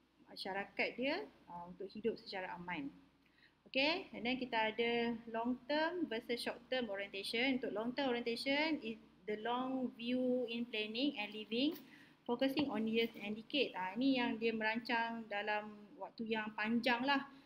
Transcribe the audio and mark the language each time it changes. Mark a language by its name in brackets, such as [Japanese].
[Malay] masyarakat dia untuk hidup secara aman. [English] Okay, and then [Malay] kita ada [English] long term versus short term orientation. [Malay] Untuk [English] long term orientation is the long view in planning and living, focusing on years and decades. [Malay] Ini yang dia merancang dalam waktu yang panjang lah.